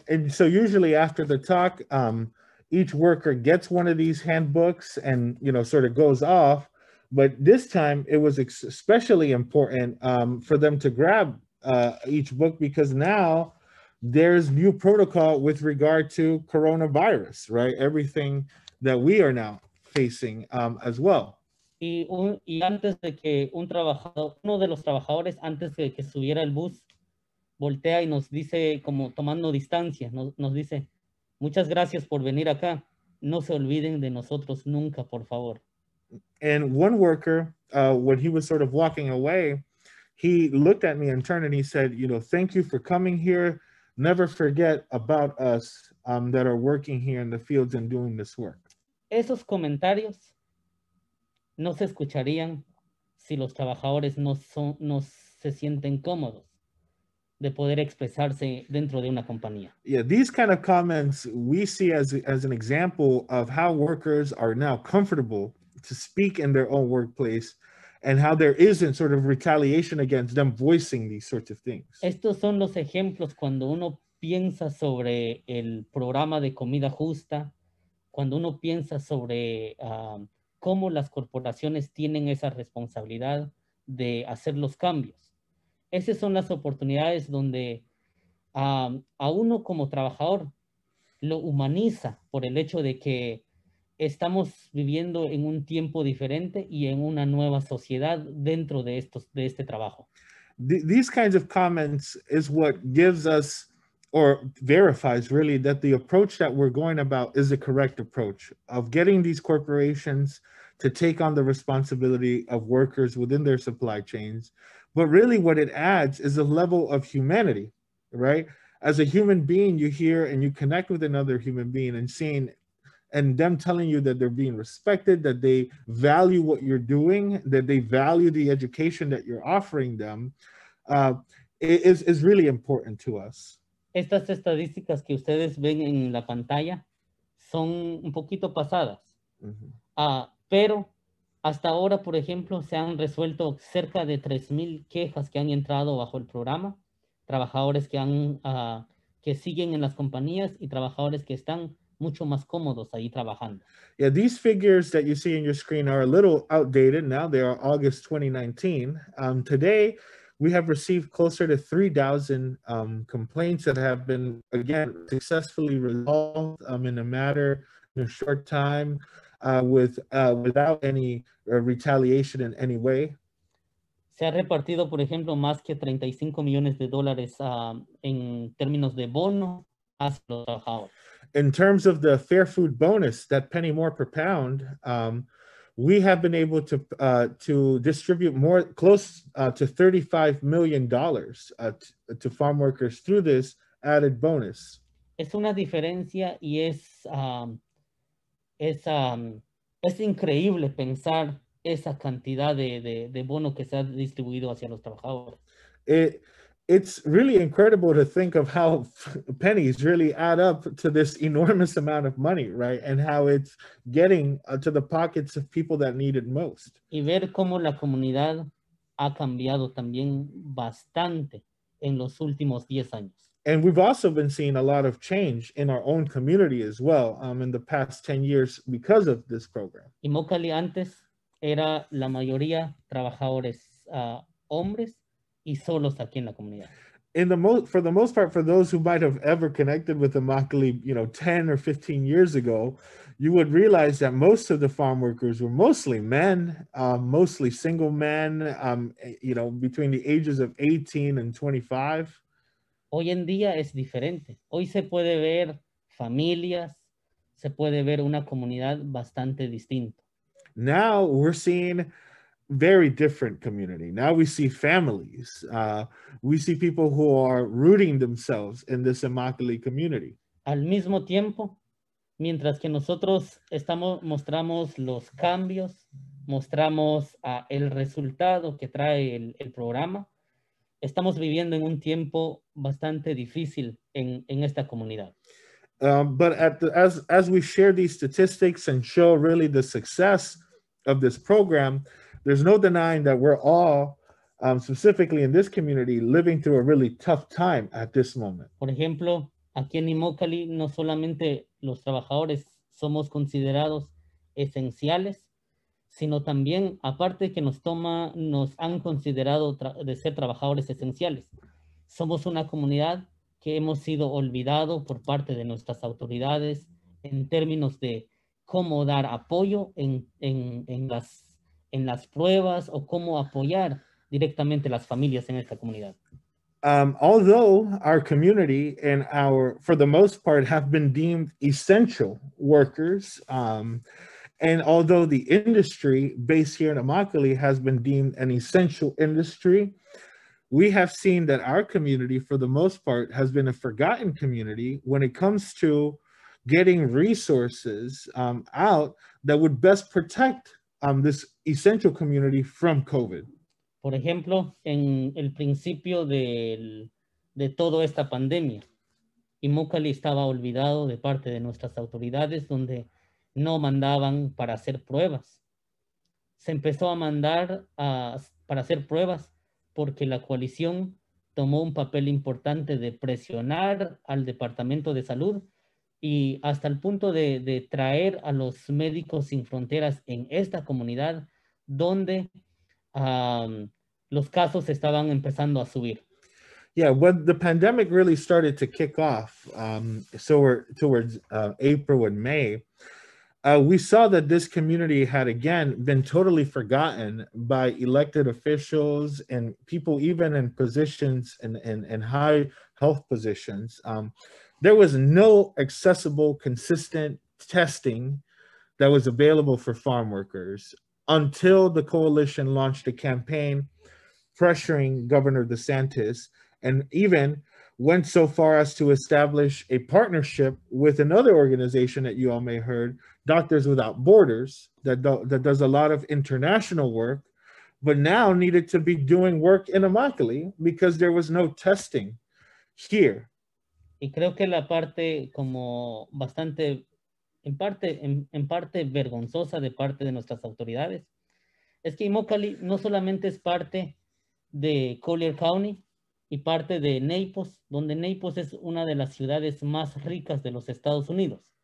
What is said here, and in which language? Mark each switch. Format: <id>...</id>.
<en>So usually after the talk, each worker gets one of these handbooks and, you know, sort of goes off. But this time it was especially important for them to grab each book, because now there's new protocol with regard to coronavirus, right? Everything that we are now facing as well.</en> <es>Y antes de que uno de los trabajadores, antes de que subiera el bus, voltea y nos dice, como tomando distancia, nos dice, muchas gracias por venir acá. No se olviden de nosotros nunca, por favor.</es> <en>And one worker, when he was sort of walking away, he looked at me and turned and he said, you know, thank you for coming here. Never forget about us that are working here in the fields and doing this work.</en> <es>Esos comentarios no se escucharían si los trabajadores no se sienten cómodos de poder expresarse dentro de una compañía.</es> <en>Yeah, these kind of comments we see as an example of how workers are now comfortable to speak in their own workplace, and how there isn't sort of retaliation against them voicing these sorts of things.</en> <es>Estos son los ejemplos cuando uno piensa sobre el programa de comida justa, cuando uno piensa sobre cómo las corporaciones tienen esa responsabilidad de hacer los cambios. Esas son las oportunidades donde a uno como trabajador lo humaniza por el hecho de que estamos viviendo en un tiempo diferente y en una nueva sociedad dentro de este trabajo.</es> <en>These kinds of comments is what gives us, or verifies really, that the approach that we're going about is the correct approach of getting these corporations to take on the responsibility of workers within their supply chains. But really what it adds is a level of humanity, right? As a human being, you hear and you connect with another human being and seeing and them telling you that they're being respected, that they value what you're doing, that they value the education that you're offering them, is really important to us.</en> <es>Estas estadísticas que ustedes ven en la pantalla son un poquito pasadas. Mm-hmm. Pero hasta ahora, por ejemplo, se han resuelto cerca de 3,000 quejas que han entrado bajo el programa. Trabajadores que han que siguen en las compañías y trabajadores que están mucho más cómodos ahí trabajando.</es> <en>Yeah, these figures that you see in your screen are a little outdated now. They are August 2019. Today, we have received closer to 3,000 complaints that have been, again, successfully resolved in a matter in a short time without any retaliation in any way.</en> <es>Se ha repartido, por ejemplo, más que 35 millones de dólares en términos de bono a los trabajadores.</es> <en>In terms of the fair food bonus, that penny more per pound, we have been able to distribute more close to $35 million to farm workers through this added bonus.</en> <es>Es una diferencia y es increíble pensar esa cantidad de bono que se ha distribuido hacia los trabajadores.</es> <en>It's really incredible to think of how pennies really add up to this enormous amount of money, right? And how it's getting to the pockets of people that need it most.</en> <es>Y ver cómo la comunidad ha cambiado también bastante en los últimos 10 años.</es> <en>And we've also been seeing a lot of change in our own community as well in the past 10 years because of this program.</en> <es>Y Mokali antes era la mayoría trabajadores hombres. Y solos aquí en la comunidad.</es> <en>For the most part, for those who might have ever connected with the Mokali, you know, 10 or 15 years ago, you would realize that most of the farm workers were mostly men, mostly single men, you know, between the ages of 18 and 25.</en> <es>Hoy en día es diferente. Hoy se puede ver familias, se puede ver una comunidad bastante distinta.</es> <en>Now we're seeing very different community. Now we see families. We see people who are rooting themselves in this Immokalee community.</en> <es>Al mismo tiempo, mientras que nosotros estamos mostramos los cambios, mostramos el resultado que trae el programa, estamos viviendo en un tiempo bastante difícil en esta comunidad.</es> <en>But as we share these statistics and show really the success of this program, there's no denying that we're all, specifically in this community, living through a really tough time at this moment.</en> <es>Por ejemplo, aquí en Immokalee, no solamente los trabajadores somos considerados esenciales, sino también, aparte que nos han considerado de ser trabajadores esenciales, somos una comunidad que hemos sido olvidado por parte de nuestras autoridades en términos de cómo dar apoyo en las pruebas o cómo apoyar directamente las familias en esta comunidad.</es> <en>Although our community and our, for the most part, have been deemed essential workers, and although the industry based here in Immokalee has been deemed an essential industry, we have seen that our community, for the most part, has been a forgotten community when it comes to getting resources out that would best protect this essential community from COVID.</en> <es>Por ejemplo, en el principio de toda esta pandemia, Immokalee estaba olvidado de parte de nuestras autoridades donde no mandaban para hacer pruebas. Se empezó a mandar para hacer pruebas porque la coalición tomó un papel importante de presionar al Departamento de Salud y hasta el punto de traer a los Médicos Sin Fronteras en esta comunidad donde los casos estaban empezando a subir.</es> <en>Yeah, when the pandemic really started to kick off, April and May, we saw that this community had again been totally forgotten by elected officials and people even in positions in high health positions. There was no accessible, consistent testing that was available for farm workers until the coalition launched a campaign pressuring Governor DeSantis and even went so far as to establish a partnership with another organization that you all may have heard, Doctors Without Borders, that does a lot of international work, but now needed to be doing work in Immokalee because there was no testing here.</en> <es>Y creo que la parte como bastante, en parte vergonzosa de parte de nuestras autoridades, es que Immokalee no solamente es parte de Collier County y parte de Naples, donde Naples es una de las ciudades más ricas de los Estados Unidos.</es>